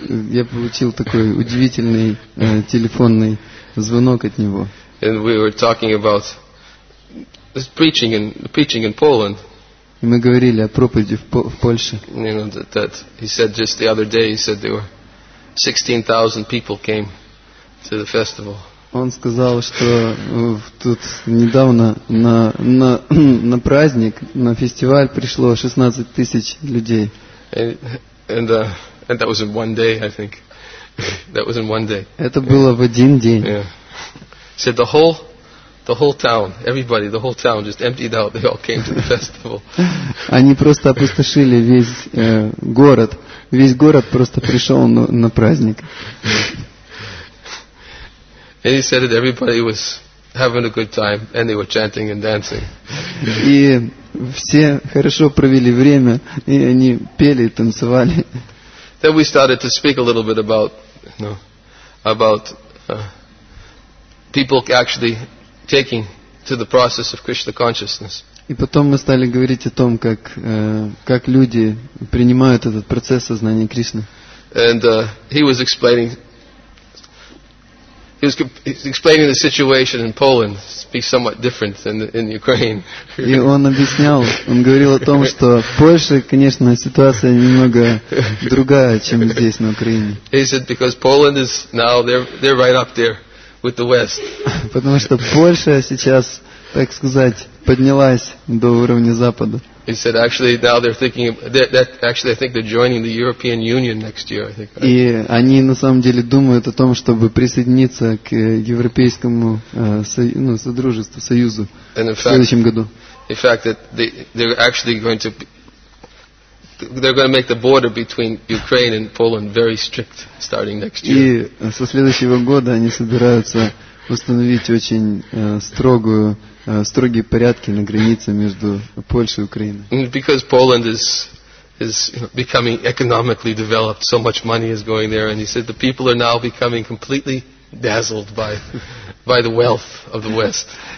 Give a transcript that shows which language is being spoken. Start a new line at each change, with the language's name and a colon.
Russian: Я получил такой удивительный телефонный звонок от него.
English: And we were talking about preaching in Poland.
Russian: И мы говорили о проповеди в Польше.
English: You know, that he said just the other day, he said there were 16,000 people came to the festival.
Russian: Он сказал, что тут недавно на праздник, на фестиваль пришло 16 тысяч людей.
English: And that was in one day, I think. That was in one day.
Russian: Это было в один день.
English: Yeah. Said the whole town, everybody, the whole town just emptied out. They all came to the festival.
Russian: Они просто опустошили весь город. Весь город просто пришел на праздник.
English: And he said that everybody was having a good time, and they were chanting and dancing.
Russian: И все хорошо провели время, и они пели и танцевали.
English: Then we started to speak a little bit about, you know, about people actually taking to the process of Krishna consciousness.
Russian: И потом мы стали говорить о том, как люди принимают этот процесс сознания Кришны.
English: And he was explaining the situation in Poland to be somewhat different than in Ukraine.
Russian: И он объяснял, он говорил о том, что в Польше, конечно, ситуация немного другая, чем здесь на Украине.
English: He said because Poland is now they're right up there with the West.
Russian: Потому что Польша сейчас, так сказать, поднялась до уровня Запада.
English: He said actually now they're thinking that actually I think they're joining the European Union next year, I think.
Russian: И они на самом деле думают о том, чтобы присоединиться к европейскому содружеству, союзу в следующем году.
English: In fact that they're going to make the border between Ukraine and Poland very strict starting next year.
Russian: И со следующего года они собираются установить очень строгие порядки на границе между Польшей и Украиной.
English: Because Poland is becoming economically developed, so much money is going there, and he said the people are now becoming completely dazzled by the wealth of the West.